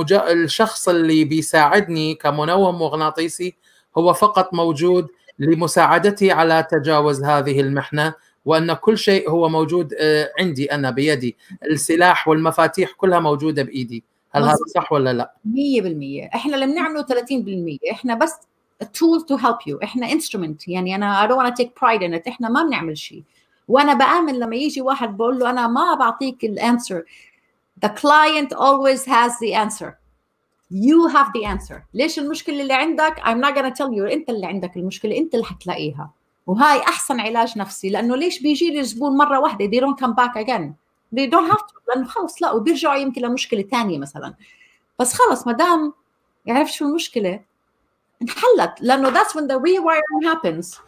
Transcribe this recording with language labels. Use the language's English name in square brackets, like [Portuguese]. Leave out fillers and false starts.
[Arabic] الشخص اللي بيساعدني كمنوم مغناطيسي هو فقط موجود لمساعدتي على تجاوز هذه المحنة, وأن كل شيء هو موجود عندي أنا بيدي, السلاح والمفاتيح كلها موجودة بإيدي. هل هذا صح ولا لا؟ 100%. إحنا لم نعمله 30%, إحنا بس [English] a tool to help you, [Arabic] إحنا instrument. يعني أنا [English] I don't want to take pride in it, [Arabic] إحنا ما بنعمل شيء. وأنا بآمن لما يجي واحد بقول له أنا ما بعطيك الانسر, [English] the client always has the answer. You have the answer. [Arabic] ليش المشكلة اللي عندك؟ [English] I'm not gonna tell you. [Arabic] أنت اللي عندك المشكلة, أنت اللي حتلاقيها. وهاي أحسن علاج نفسي, لأنه ليش بيجي الزبون مرة واحدة؟ [English] They don't come back again. They don't have to. [Arabic] لأنه خلص لا, وبيرجعوا يمكن لمشكلة تانية مثلاً. بس خلص مدام يعرف شو المشكلة انحلت, لأنه [English] that's when the rewiring happens.